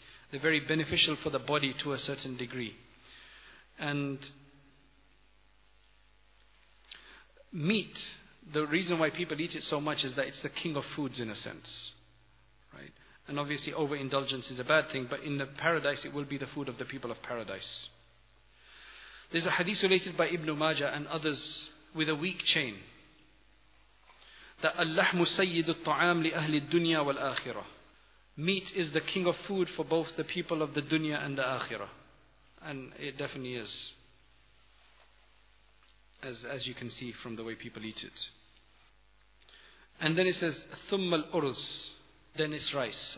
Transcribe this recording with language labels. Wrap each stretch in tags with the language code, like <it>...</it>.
<en>They're very beneficial for the body to a certain degree. And meat, the reason why people eat it so much is that it's the king of foods in a sense. Right? And obviously overindulgence is a bad thing, but in the paradise it will be the food of the people of paradise. There's a hadith related by Ibn Majah and others with a weak chain. That</en> <ar>اللحم سيد الطعام لأهل الدنيا والآخرة.</ar> <en>Meat is the king of food for both the people of the dunya and the akhirah. And it definitely is. As you can see from the way people eat it. And then it says,</en> <ar>ثُمَّ الْأُرُزْ.</ar> <en>Then it's rice.</en>